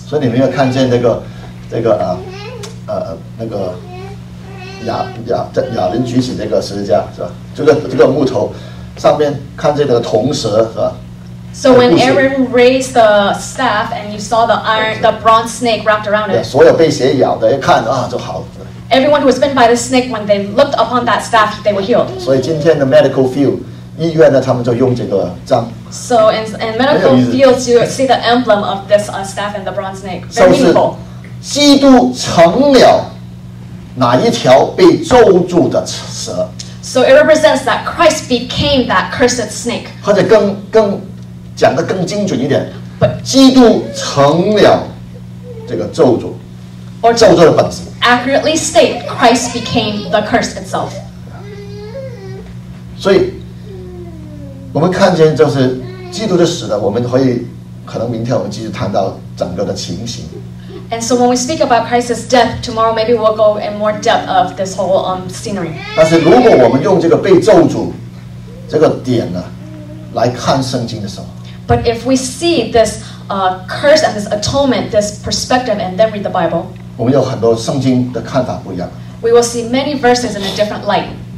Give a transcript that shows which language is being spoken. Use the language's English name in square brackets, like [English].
[Chinese] 所以你们要看见那个亚伦举起那个十字架是吧？这个木头上面看这个铜蛇是吧 [English] ？So when Aaron raised the staff and you saw the bronze snake wrapped around it, [Chinese] 所有被蛇咬的一看啊就好了。 [English] Everyone who was bitten by the snake, when they looked upon that staff, they were healed. [Chinese] 所以今天的 [English] medical field [Chinese] 医院呢，他们就用这个章。 [English] So in medical fields, you see the emblem of this staff and the bronze snake. Very meaningful. [Chinese] 基督成了哪一条被咒诅的蛇 [English] ？So it represents that Christ became that cursed snake. [Chinese] 或者更讲得更精准一点，基督成了这个咒诅，咒诅的本质。 [English] Accurately state, Christ became the curse itself. [Chinese] 所以，我们看见就是基督的死了，我们可以可能明天我们继续谈到整个的情形。 [English] And so when we speak about Christ's death tomorrow, maybe we'll go in more depth of this whole scenery. [Chinese] 但是如果我们用这个被咒诅这个点呢，来看圣经的时候 [English] ，But if we see this curse and this atonement, this perspective, and then read the Bible, [Chinese] 我们有很多圣经的看法不一样。 [English] We will see many verses in a different light.